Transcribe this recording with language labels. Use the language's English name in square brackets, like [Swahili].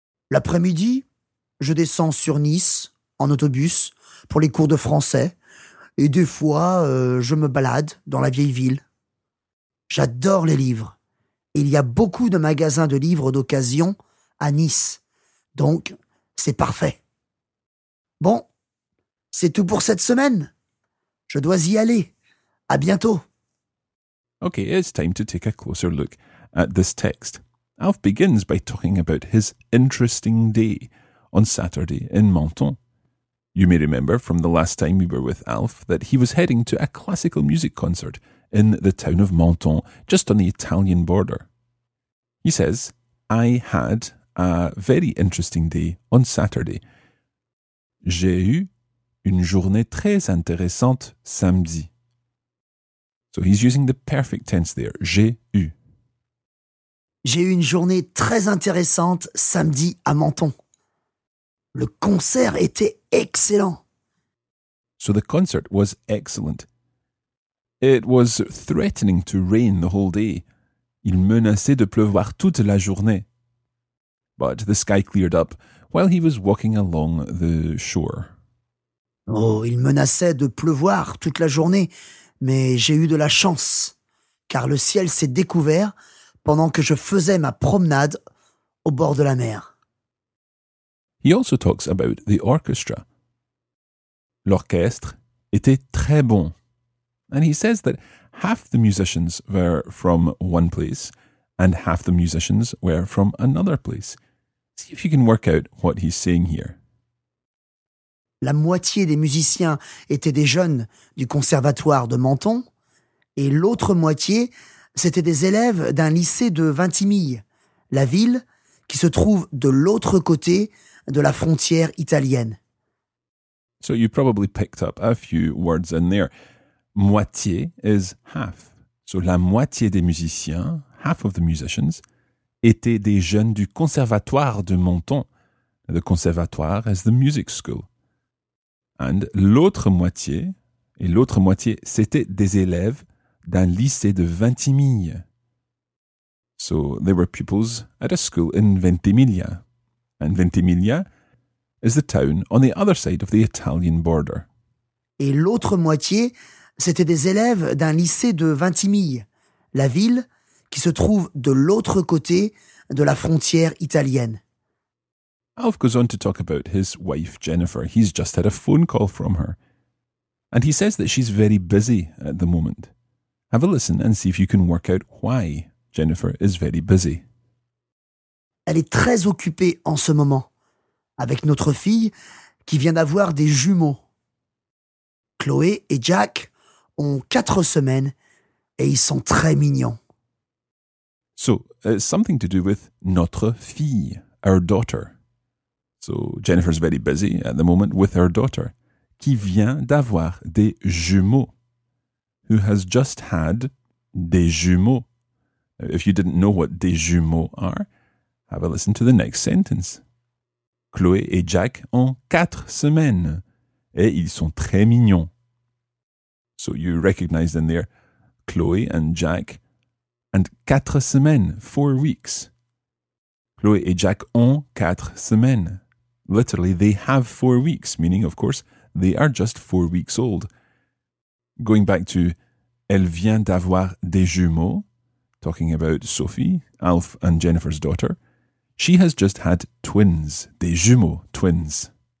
[French] L'après-midi, je descends sur Nice en autobus pour les cours de français et des fois, je me balade dans la vieille ville. J'adore les livres. Il y a beaucoup de magasins de livres d'occasion à Nice, donc c'est parfait. Bon, c'est tout pour cette semaine. Je dois y aller. À bientôt. [English] Okay, it's time to take a closer look at this text. Alf begins by talking about his interesting day on Saturday in Menton. You may remember from the last time we were with Alf that he was heading to a classical music concert in the town of Menton, just on the Italian border. He says, I had a very interesting day on Saturday. [French] J'ai eu une journée très intéressante samedi. [English] So he's using the perfect tense there, [French] j'ai eu. J'ai eu une journée très intéressante samedi à Menton. Le concert était excellent. [English] So the concert was excellent. It was threatening to rain the whole day. [French] Il menaçait de pleuvoir toute la journée. [English] But the sky cleared up while he was walking along the shore. [French] Oh, il menaçait de pleuvoir toute la journée. Mais j'ai eu de la chance, car le ciel s'est découvert pendant que je faisais ma promenade au bord de la mer. [English] He also talks about the orchestra. [French] L'orchestre était très bon. [English] And he says that half the musicians were from one place and half the musicians were from another place. See if you can work out what he's saying here. [French] La moitié des musiciens étaient des jeunes du conservatoire de Menton et l'autre moitié, c'était des élèves d'un lycée de Vintimille, la ville qui se trouve de l'autre côté de la frontière italienne. [English] So you probably picked up a few words in there. Moitié is half. So [French] la moitié des musiciens, [English] half of the musicians, [French] étaient des jeunes du conservatoire de Menton. [English] The conservatoire is the music school. And [French] l'autre moitié, et l'autre moitié, c'était des élèves d'un lycée de Vintimille. [English] So they were pupils at a school in Ventimiglia. And Ventimiglia is the town on the other side of the Italian border. [French] Et l'autre moitié, c'était des élèves d'un lycée de Vintimille, la ville qui se trouve de l'autre côté de la frontière italienne. [English] Alf goes on to talk about his wife, Jennifer. He's just had a phone call from her. And he says that she's very busy at the moment. Have a listen and see if you can work out why Jennifer is very busy. [French] Elle est très occupée en ce moment, avec notre fille qui vient d'avoir des jumeaux. Chloé et Jack ont 4 semaines et ils sont très mignons. [English] So, it's something to do with [French] notre fille, [English] our daughter. So, Jennifer's very busy at the moment with her daughter, [French] qui vient d'avoir des jumeaux, [English] who has just had [French] des jumeaux. [English] If you didn't know what des jumeaux are, have a listen to the next sentence. [French] Chloé et Jack ont 4 semaines, et ils sont très mignons. [English] So, you recognize in there, Chloé and Jack, and [French] 4 semaines, [English] 4 weeks. [French] Chloé et Jack ont 4 semaines. [English] Literally, they have 4 weeks, meaning, of course, they are just 4 weeks old. Going back to, [French] elle vient d'avoir des jumeaux, [English] talking about Sophie, Alf and Jennifer's daughter, she has just had twins, [French] des jumeaux, [English] twins.